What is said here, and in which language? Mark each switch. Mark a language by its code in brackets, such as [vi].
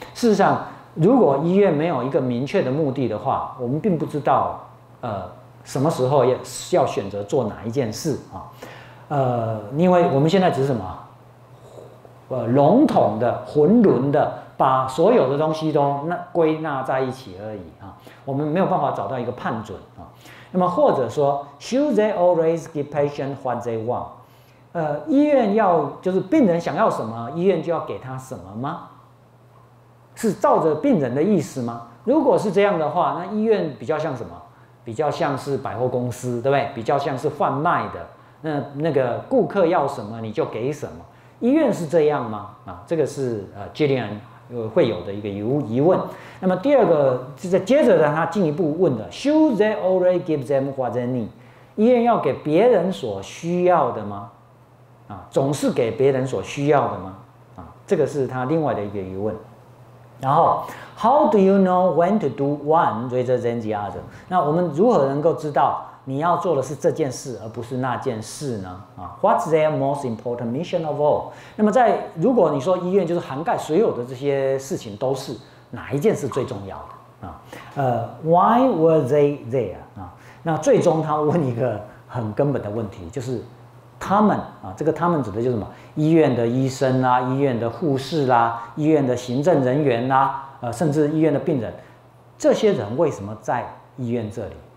[zh] 事实上如果医院没有一个明确的目的的话，我们并不知道什么时候要选择做哪一件事啊。因为我们现在只是什么笼统的混沌的把所有的东西都归纳在一起而已啊，我们没有办法找到一个判准啊。那么或者说 [en] should they always give patient what they want？ [zh] 医院要就是病人想要什么，医院就要给他什么吗？是照着病人的意思吗？如果是这样的话，那医院比较像什么？比较像是百货公司，对不对？比较像是贩卖的，那个顾客要什么你就给什么。医院是这样吗？啊，这个是Gillian会有的一个疑问。那么第二个就接着的他进一步问的 ， [en] Should they already give them what they need？ [zh] 医院要给别人所需要的吗？啊，总是给别人所需要的吗？啊，这个是他另外的一个疑问。然后 [en] ，How do you know when to do one rather than the other？ [zh] 那我们如何能够知道你要做的是这件事而不是那件事呢？ [en] 啊 ，What's their most important mission of all？ [zh] 那么在如果你说医院就是涵盖所有的这些事情，都是哪一件事最重要的啊？ [en] Why were they there？ [zh] 啊，那最终他问一个很根本的问题，就是他们啊，这个他们指的就是什么？医院的医生啦，医院的护士啦，医院的行政人员啦，甚至医院的病人，这些人为什么在医院这里？